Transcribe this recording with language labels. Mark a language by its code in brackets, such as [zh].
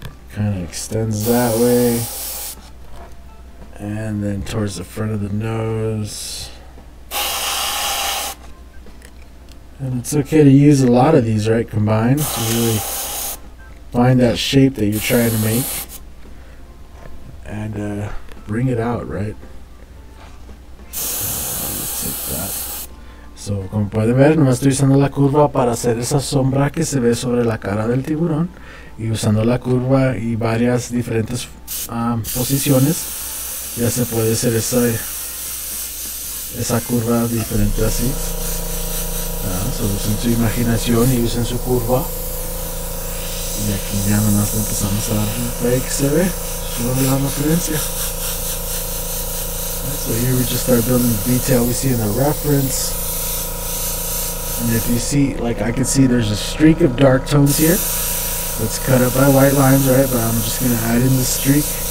[en] Kind of extends that way. And then towards the front of the nose. And it's okay to use a lot of these, right, combined to really find that shape that you're trying to make and bring it out, right? Let's take that. [es] So, como pueden ver, no estoy usando la curva para hacer esa sombra que se ve sobre la cara del tiburón y usando la curva y varias diferentes posiciones. Ya se puede hacer esa curva diferente así. So usen su imaginación y usen su curva. Y aquí ya nomás empezamos a ver que se ve. Solo la referencia. [en] So here we just start building the detail we see in the reference. And if you see, like I can see there's a streak of dark tones here. That's cut up by white lines, right? But I'm just going to add in the streak.